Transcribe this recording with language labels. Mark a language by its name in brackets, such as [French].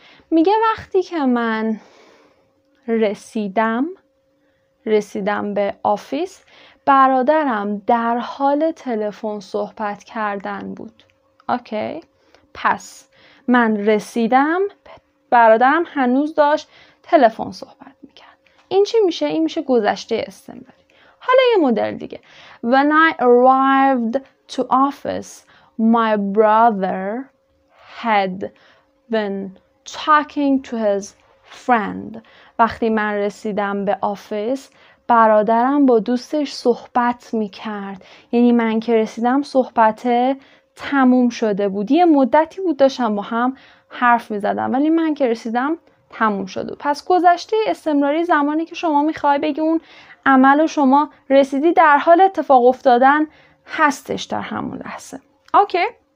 [Persian] میگه وقتی که من رسیدم به آفیس، برادرم در حال تلفن صحبت کردن بود. اوکی؟ پس من رسیدم، برادرم هنوز داشت تلفن صحبت میکرد. این چی میشه؟ این میشه گذشته استمراری. حالا یه مدل دیگه. [English] When I arrived to office, my brother had been talking to his friend. [Persian] وقتی من رسیدم به آفیس، برادرم با دوستش صحبت میکرد. یعنی من که رسیدم صحبت تموم شده بود. یه مدتی بود داشتم با هم حرف میزدم. ولی من که رسیدم تموم شده. پس گذشته استمراری زمانی که شما میخوای بگی اون عملو شما رسیدی در حال اتفاق افتادن هستش در همون لحظه. اوکی.